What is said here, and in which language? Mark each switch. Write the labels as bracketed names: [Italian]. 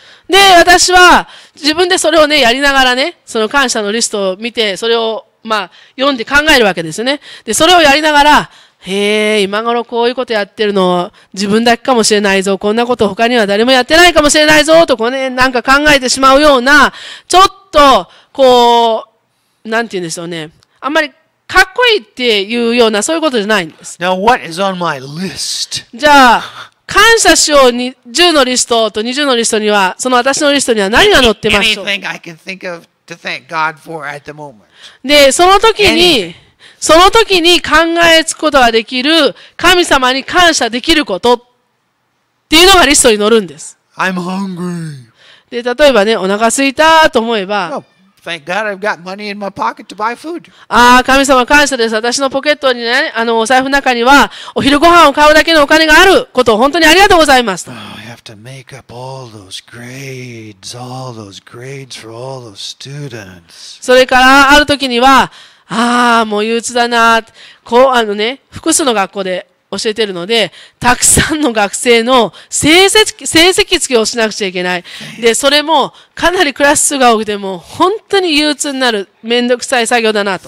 [Japanese] で、私は自分でそれをね、やりながらね、その感謝のリストを見て、それをまあ、読んで考えるわけですよね。で、それをやりながら、へえ、今頃こういうことやってるの、自分だけかもしれないぞ、こんなこと他には誰もやってないかもしれないぞ、とこうね、なんか考えてしまうような、ちょっと、こう、なんて言うんでしょうね。あんまり、かっこいいっていうような、そういうことじゃないんです。 [English] Now, what is on my list? [Japanese] じゃあ、感謝書を10のリストと20のリストには、その私のリストには何が載ってましょう。 [English] Anything I can think of to thank God for at the moment. [Japanese] で、その時に、その時に考えつくことができる神様に感謝できることっていうのがリストに載るんです。 [English] I'm hungry. [Japanese] で、例えばね、お腹空いたと思えば、 [English] Thank God I've got money in my pocket to buy food. [Japanese] ああ、神様感謝です。私のポケットにね、あのお財布の中にはお昼ご飯を買うだけのお金があることを本当にありがとうございます。 [English] Oh, I have to make up all those grades for all those students. [Japanese] それからある時には、ああ、もう憂鬱だな。こうあのね、複数の学校で教えているので、たくさんの学生の成績付けをしなくちゃいけない。で、それもかなりクラス数が多くても本当に憂鬱になる、めんどくさい作業だなと。